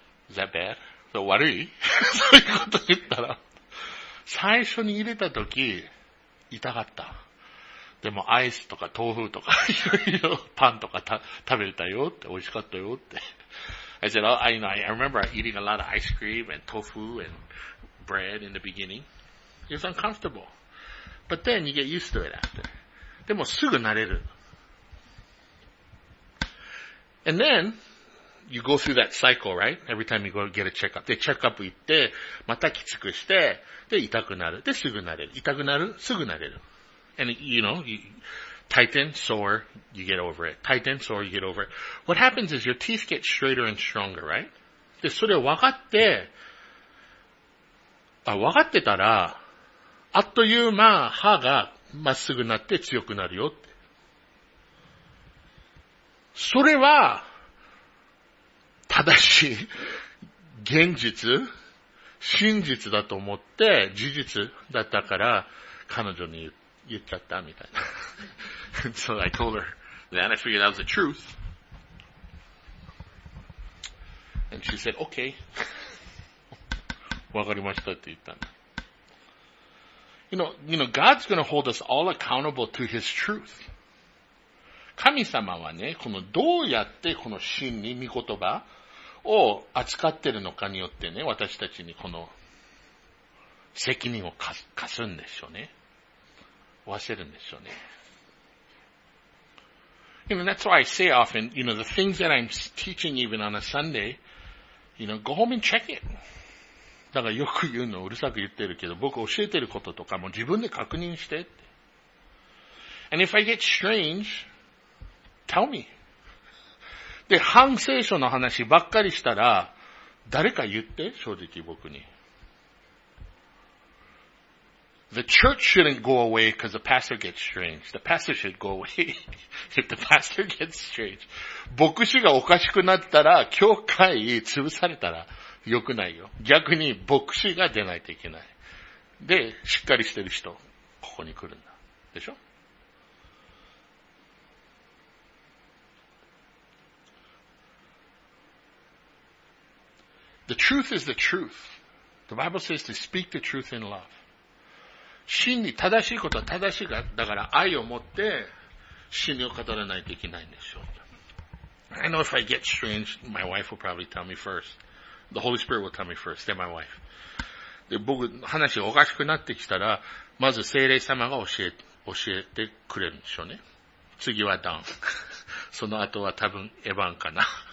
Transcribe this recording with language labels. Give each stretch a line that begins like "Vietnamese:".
English: Is that bad?
Japanese: So 悪い？そういうこと言ったら。最初に入れた時痛かった。でもアイスとか豆腐とかいろいろパンとか食べれたよって美味しかったよって。
English: I said, oh, I, you know, I remember eating a lot of ice cream and tofu and bread in the beginning. It was uncomfortable. But then you get used to it after.
Japanese: でもすぐ慣れる。
English: And then, you go through that cycle, right? Every time you go get a checkup.
Japanese: で、checkup 行って、またきつくして、で、痛くなる。で、すぐ慣れる。痛くなる?すぐ慣れる。
English: And, you know, you tighten, sore, you get over it. Tighten, sore, you get over it. What happens is your teeth get straighter and stronger, right?
Japanese: で、それ分かって、あ、分かってたら、あっという間、歯がまっすぐになって強くなるよって。それは、正しい、現実、真実だと思って、事実だったから、彼女に言っちゃったみたいな。
English: So I told her. Then I figured that was the truth. And she said, okay.
Japanese: わかりましたって言ったんだ。
English: You know, God's gonna hold us all accountable to His truth.
Japanese: 神様はね、このどうやってこの真理、御言葉を扱ってるのかによってね、私たちにこの責任を課すんでしょうね。負わせるんでしょうね。
English: You know, that's why I say often, you know, the things that I'm teaching even on a Sunday, you know, go home and check it.
Japanese: だからよく言うの、うるさく言ってるけど、僕教えてることとかも自分で確認してって。
English: And if I get strange, tell me.
Japanese: で、反聖書の話ばっかりしたら、誰か言って、正直僕に。
English: The church shouldn't go away because the pastor gets strange. The pastor should go away if the pastor gets strange.
Japanese: 牧師がおかしくなったら、教会潰されたら良くないよ。逆に牧師が出ないといけない。で、しっかりしてる人、ここに来るんだ。でしょ?
English: The truth is the truth. The Bible says to speak the truth in love.
Japanese: 真理、正しいことは正しいから、だから愛を持って真理を語らないといけないんでしょう。
English: I know if I get strange, my wife will probably tell me first. The Holy Spirit will tell me first, then my wife.
Japanese: で、僕、話がおかしくなってきたら、まず聖霊様が教えてくれるんでしょうね。次はダン。その後は多分エヴァンかな。